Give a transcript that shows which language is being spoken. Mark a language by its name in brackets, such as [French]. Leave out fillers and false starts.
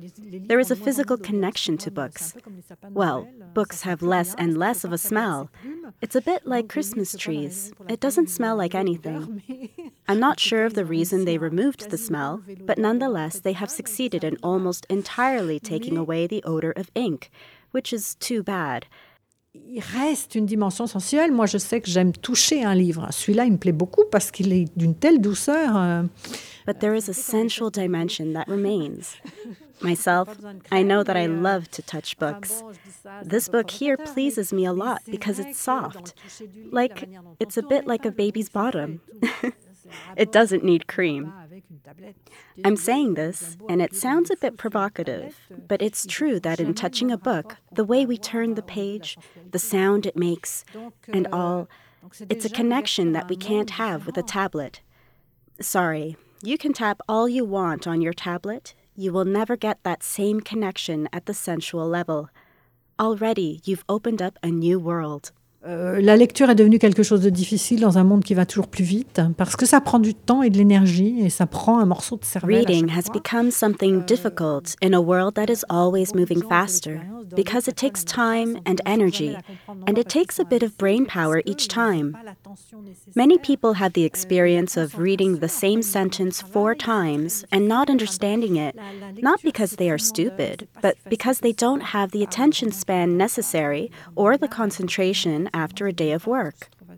[English] There is a physical connection to books. Well, books have less and less of a smell. It's a bit like Christmas trees. It doesn't smell like anything. I'm not sure of the reason they removed the smell, but nonetheless, they have succeeded in almost entirely taking away the odor of ink, which is too bad. [French] Il reste une dimension essentielle. Moi, je sais que j'aime toucher un livre. Celui-là, il me plaît beaucoup parce qu'il est d'une telle douceur. [English] But there is a sensual dimension that remains. Myself, I know that I love to touch books. This book here pleases me a lot because it's soft. Like, it's a bit like a baby's bottom. It doesn't need cream. I'm saying this, and it sounds a bit provocative, but it's true that in touching a book, the way we turn the page, the sound it makes, and all, it's a connection that we can't have with a tablet. Sorry, you can tap all you want on your tablet, you will never get that same connection at the sensual level. Already, you've opened up a new world. [French] La lecture est devenue quelque chose de difficile dans un monde qui va toujours plus vite parce que ça prend du temps et de l'énergie et ça prend un morceau de cerveau. [English] Reading has become something difficult in a world that is always moving faster because it takes time and energy and it takes a bit of brain power each time. Many people have the experience of reading the same sentence four times and not understanding it, not because they are stupid, but because they don't have the attention span necessary or the concentration after a day of work.